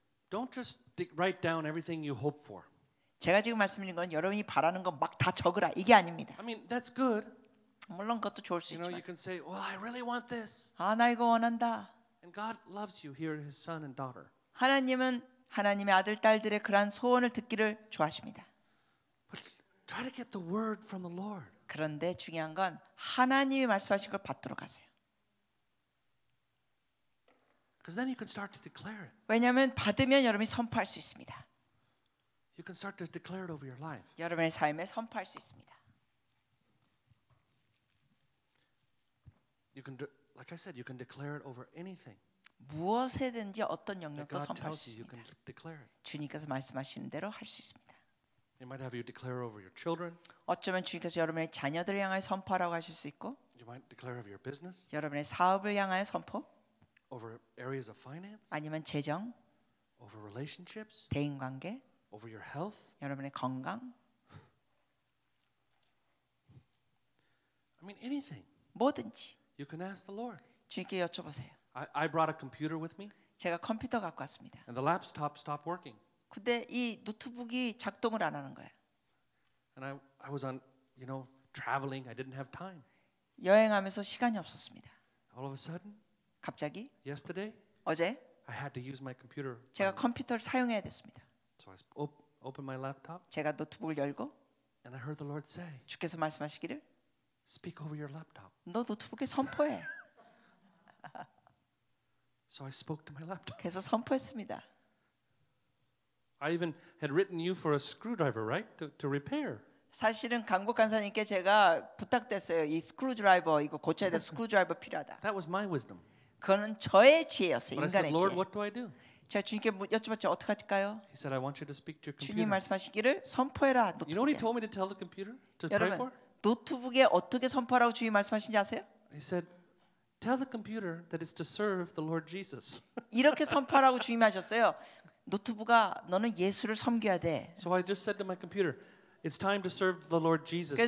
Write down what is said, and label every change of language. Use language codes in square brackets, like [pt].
[en] Don't just write down everything you hope for. [ko] 제가 지금 말씀드린 건 여러분이 바라는 거 막 다 적으라 이게 아닙니다. [en] I mean, that's good. [ko] 물론 그것도 좋을 수 [en] you know, [ko] 있지만. [en] You can say, "Well, I really want this." [ko] 아, 나 이거 원한다. [en] And God loves you, hear His son and daughter. [ko] 하나님은 하나님의 아들 딸들의 그러한 소원을 듣기를 좋아하십니다. [en] But try to get the word from the Lord. [ko] 그런데 중요한 건 하나님이 말씀하신 걸 받도록 하세요. [en] Because then you can start to declare it. [ko] 왜냐하면 받으면 여러분이 선포할 수 있습니다. [en] You can start to declare it over your life. [ko] 여러분의 삶에 선포할 수 있습니다. [en] You can do. Like I said, you can declare it over anything. [ko] 무엇에든지 어떤 영역도 선포할 수 있습니다. [en] God tells you, you can declare it. [ko] 주님께서 말씀하시는 대로 할 수 있습니다. [en] You might have you declare over your children. [ko] 어쩌면 주님께서 여러분의 자녀들을 향하여 선포하라고 하실 수 있고. [en] You might declare over your business. [ko] 여러분의 사업을 향하여 선포. [en] Over areas of finance. [ko] 아니면 재정. [en] Over relationships. [ko] 대인관계. [en] Over your health. [ko] 여러분의 건강. [en] I mean anything. [ko] 뭐든지. [en] You can ask the Lord. [ko] 주님께 여쭤보세요. [en] I brought a computer with me. [ko] 제가 컴퓨터 갖고 왔습니다. [en] And the laptop stopped working. [ko] 근데 이 노트북이 작동을 안 하는 거야. [en] And I was on, you know, traveling. I didn't have time. [ko] 여행하면서 시간이 없었습니다. [en] All of a sudden? [ko] 갑자기? [en] Yesterday? [ko] 어제? [en] I had to use my computer. [ko] 제가 컴퓨터를 사용해야 됐습니다. [en] So I opened my laptop. [ko] 제가 노트북을 열고 [en] And I heard the Lord say. [ko] 주께서 말씀하시기를 [en] Speak over your laptop. [ko] 너 노트북에 선포해. [en] So I spoke to my laptop. [ko] 그래서 선포했습니다. [en] I even had written you for a screwdriver, right? To repair. [ko] 사실은 강복 간사님께 제가 부탁됐어요. 이 스크류드라이버 이거 고쳐야 돼. 스크류드라이버 필요하다. [en] That was my wisdom. [ko] 그건 저의 지혜였어요. 인간의 지혜. [en] But I said, Lord, what do I do? [ko] 제가 주님께 여쭤봤죠. 어떻게 할까요? [en] He said, I want you to speak to your computer. [ko] 주님 말씀하시기를 선포해라. 노트북에. [en] You know what he told me to tell the computer to pray for? [ko] 여러분, 노트북에 어떻게 선포하라고 주님 말씀하신지 아세요? [en] He said, tell the computer that it's to serve the Lord Jesus. [ko] 이렇게 선포하라고 주님 하셨어요. 노트북아 너는 예수를 섬겨야 돼. [en] So I just said to my computer, it's time to serve the Lord Jesus now.